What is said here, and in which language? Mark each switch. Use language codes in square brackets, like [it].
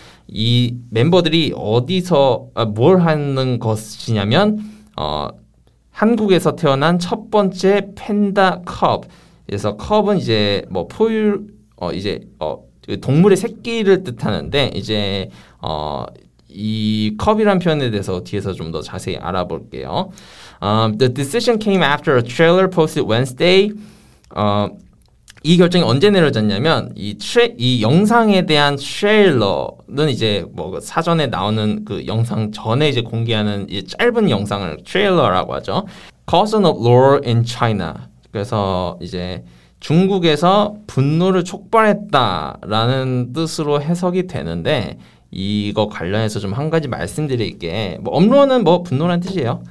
[ko] 이 멤버들이 어디서 뭘 하는 것이냐면 한국에서 태어난 첫 번째 판다 컵. 그래서 컵은 이제 뭐 포유 이제 동물의 새끼를 뜻하는데 이제 이 컵이란 표현에 대해서 뒤에서 좀 더 자세히 알아볼게요. [en] The decision came after a trailer posted Wednesday. [ko] 이 결정이 언제 내려졌냐면 이 영상에 대한 트레일러는 이제 뭐 사전에 나오는 그 영상 전에 이제 공개하는 이 짧은 영상을 트레일러라고 하죠. [en] Cause of war in China. [ko] 그래서 이제 중국에서 분노를 촉발했다라는 뜻으로 해석이 되는데 이거 관련해서 좀 한 가지 말씀드릴 게 뭐 업로는 뭐 분노란 뜻이에요.